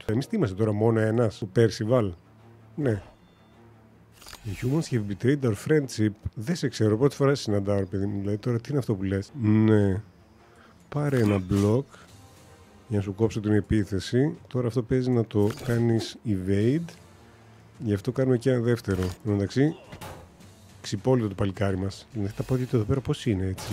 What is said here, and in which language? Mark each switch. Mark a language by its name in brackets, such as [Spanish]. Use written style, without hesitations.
[Greek] Εμείς τι είμαστε τώρα, μόνο ένας, ο Percival. Ναι. [English] The humans have betrayed our friendship. [Greek] Δεν σε ξέρω, πρώτη φορά συναντάω, παιδί μου. Λέει τώρα τι είναι αυτό που λες. Ναι. Πάρε ένα block για να σου κόψω την επίθεση. Τώρα αυτό παίζει να το κάνεις evade. Γι' αυτό κάνουμε και ένα δεύτερο. Εντάξει, ξυπόλυτο το παλικάρι μας. Λέει τα πόδια του εδώ πέρα πώς είναι, έτσι.